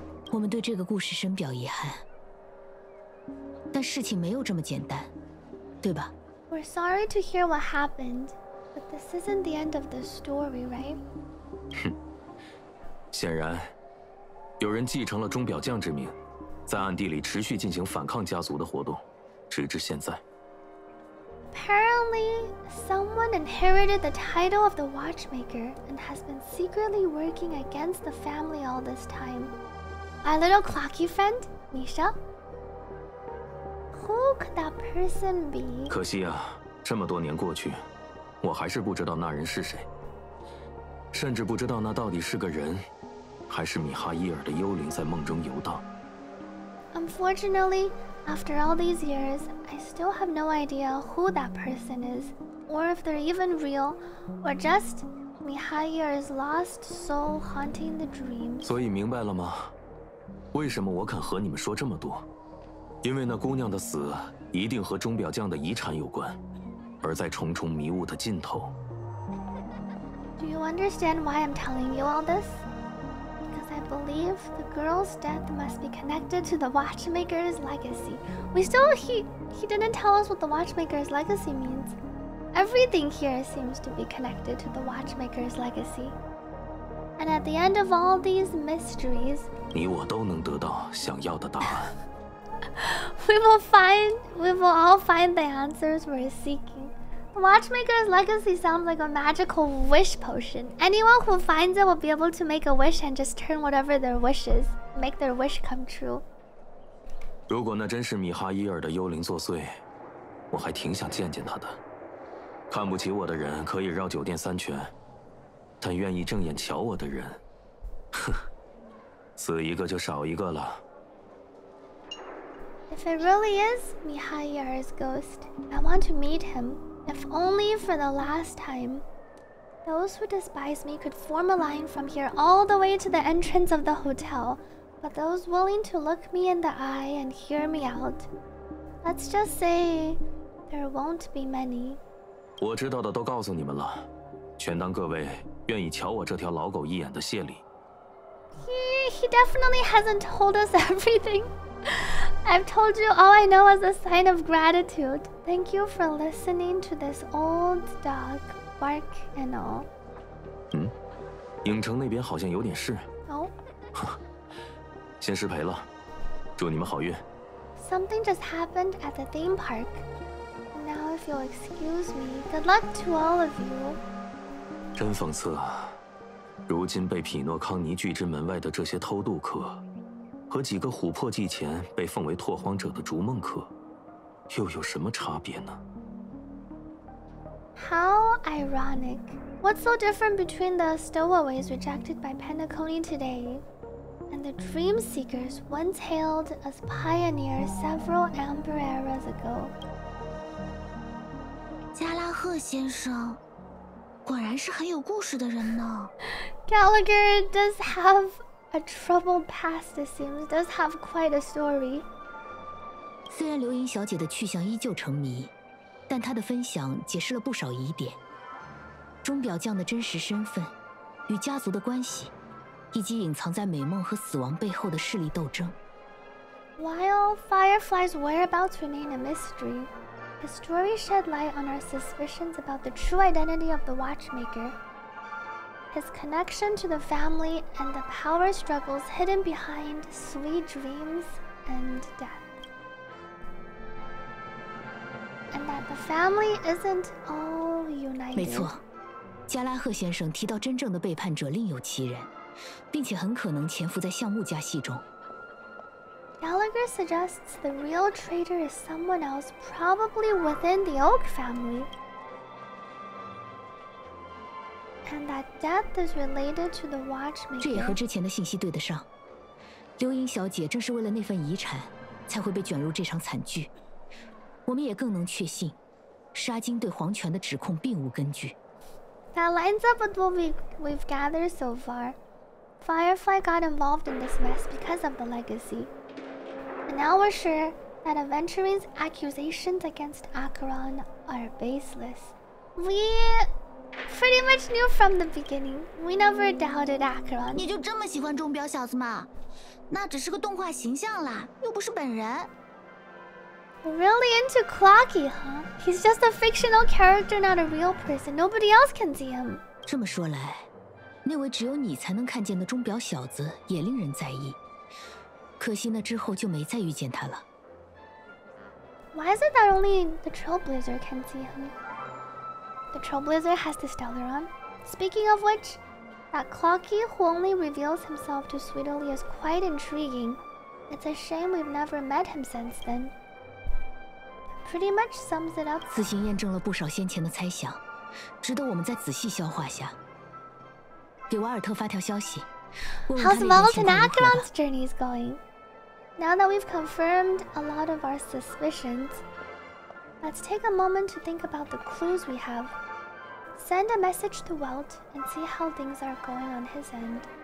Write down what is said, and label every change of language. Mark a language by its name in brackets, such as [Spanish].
[Chinese] 我们对这个故事深表遗憾，但事情没有这么简单，对吧？ [English] We're sorry to hear what happened, but this isn't the end of the story, right? [Chinese] 哼，显然，有人继承了钟表匠之名，在暗地里持续进行反抗家族的活动，直至现在。 [English] Apparently, someone inherited the title of the watchmaker and has been secretly working against the family all this time. My little clocky friend, Misha? Who could that person be? [Chinese] 可惜啊，这么多年过去，我还是不知道那人是谁，甚至不知道那到底是个人，还是米哈伊尔的幽灵在梦中游荡。 [English] Unfortunately, after all these years, I still have no idea who that person is, or if they're even real, or just Mihaiyer's lost soul haunting the dreams. [Chinese] 所以明白了吗？为什么我肯和你们说这么多？因为那姑娘的死一定和钟表匠的遗产有关，而在重重迷雾的尽头。 [English] Do you understand why I'm telling you all this? Because I believe the girl's death must be connected to the watchmaker's legacy. We still he didn't tell us what the watchmaker's legacy means. Everything here seems to be connected to the watchmaker's legacy. And at the end of all these mysteries, [Chinese] 你我都能得到想要的答案。 [English] We will all find the answers we're seeking. The Watchmaker's legacy sounds like a magical wish potion. Anyone who finds it will be able to make a wish and just turn whatever their wish is, make their wish come true. [Chinese] 如果那真是米哈伊尔的幽灵作祟，我还挺想见见他的。看不起我的人可以绕酒店三圈，但愿意正眼瞧我的人，哼，死一个就少一个了。 [English] If it really is Mihaiyer's ghost, I want to meet him, if only for the last time. Those who despise me could form a line from here all the way to the entrance of the hotel, but those willing to look me in the eye and hear me out, let's just say there won't be many. [Chinese] 我知道的都告诉你们了，全当各位愿意瞧我这条老狗一眼的谢礼。 [English] He definitely hasn't told us everything. I've told you all I know as a sign of gratitude. Thank you for listening to this old dog bark and all. [Chinese] 影城那边好像有点事。哦。先失陪了，祝你们好运。 [English] Something just happened at the theme park. Now if you'll excuse me, good luck to all of you. [Chinese] 真讽刺啊，如今被匹诺康尼拒之门外的这些偷渡客。和几个琥珀祭前被奉为拓荒者的逐梦客又有什么差别呢？ [English] How ironic. What's so different between the stowaways rejected by Panacone today and the dream seekers once hailed as pioneers several amber eras ago? [Chinese] 加拉赫先生果然是很有故事的人呢。 [English] Gallagher does haveA troubled past, it seems, does have quite a story. [Chinese] 虽然流萤小姐的去向依旧成谜，但他的分享解释了不少疑点。钟表匠的真实身份与家族的关系，以及隐藏在美梦和死亡背后的势力斗争。 [English] While Firefly's whereabouts remain a mystery, his story shed light on our suspicions about the true identity of the Watchmaker. His connection to the family and the power struggles hidden behind sweet dreams and death. And that the family isn't all united. [Chinese] 没错，加拉赫先生提到真正的背叛者另有其人，并且很可能潜伏在橡木家系中。 [English] Gallagher suggests the real traitor is someone else, probably within the Oak family. And that death is related to the Watchmaker. [Chinese] 这也和之前的信息对得上。刘英小姐正是为了那份遗产才会被卷入这场惨剧。我们也更能确信沙金对皇权的指控并无根据。 [English] That lines up with what we've gathered so far. Firefly got involved in this mess because of the legacy. And now we're sure that Aventurine's accusations against Acheron are baseless. We pretty much knew from the beginning. We never doubted Acheron. [Chinese] 你就这么喜欢钟表小子吗？那只是个动画形象啦，又不是本人。 [English] Really into Clocky, huh? He's just a fictional character, not a real person. Nobody else can see him. [Chinese] 这么说来，那位只有你才能看见的钟表小子也令人在意。可惜那之后就没再遇见他了。 [English] Why is it that only the Trailblazer can see him? The Trailblazer has the stellar on. Speaking of which, that Clocky who only reveals himself to Sweetly is quite intriguing. It's a shame we've never met him since then. Pretty much sums it up. [Chinese] 此行验证了不少先前的猜想，值得我们再仔细消化下。给瓦尔特发条消息，问问他那边情况如何了。 [English] How's Malton Acheron's journey is going? Now that we've confirmed a lot of our suspicions, let's take a moment to think about the clues we have. Send a message to Welt and see how things are going on his end.